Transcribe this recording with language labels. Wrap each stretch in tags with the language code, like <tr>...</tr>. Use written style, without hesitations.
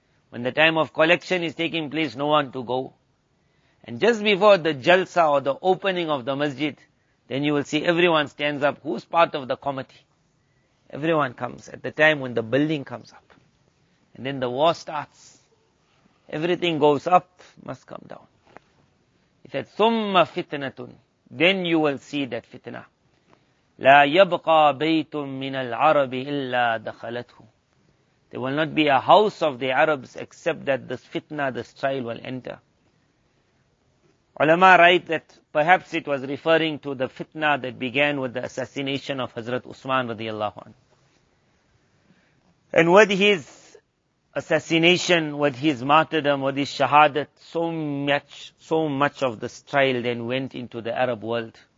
<en>When the time of collection is taking place, no one to go. And just before the jalsa or the opening of the masjid, then you will see everyone stands up. Who's part of the committee? Everyone comes at the time when the building comes up. And then the war starts. Everything goes up, must come down. He said,</en> <ar>ثُمَّ فِتْنَةٌ</ar> <en>Then you will see that fitna.</en> <ar>لا يبقى بيت من العرب إلا دخلته.</ar> <en>There will not be a house of the Arabs except that this fitna, this trial will enter. Ulama write that perhaps it was referring to the fitna that began with the assassination of Hazrat Usman radiallahu anhu. And with his assassination, with his martyrdom, with his shahadat, so much of this trial then went into the Arab world.</en>